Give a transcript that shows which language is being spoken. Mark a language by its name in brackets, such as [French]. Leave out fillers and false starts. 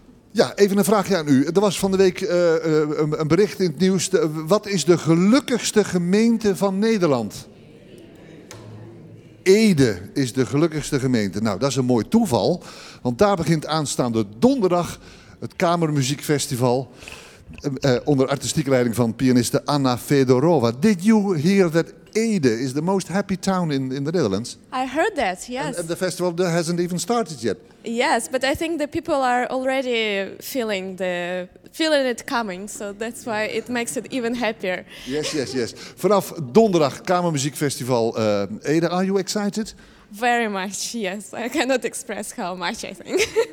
[Dutch] Ja, even een vraagje aan u. Er was van de week een bericht in het nieuws. Wat is de gelukkigste gemeente van Nederland? Ede is de gelukkigste gemeente. Nou, dat is een mooi toeval. Want daar begint aanstaande donderdag het Kamermuziekfestival. Onder artistieke leiding van pianiste Anna Fedorova. [English] Did you hear that Ede is the most happy town in the Netherlands? I heard that, yes. And the festival hasn't even started yet. Yes, but I think the people are already feeling it coming. So that's why it makes it even happier. Yes, yes, yes. [Dutch] Vanaf donderdag Kamermuziekfestival Ede. [English] Are you excited? Very much, yes. I cannot express how much, I think.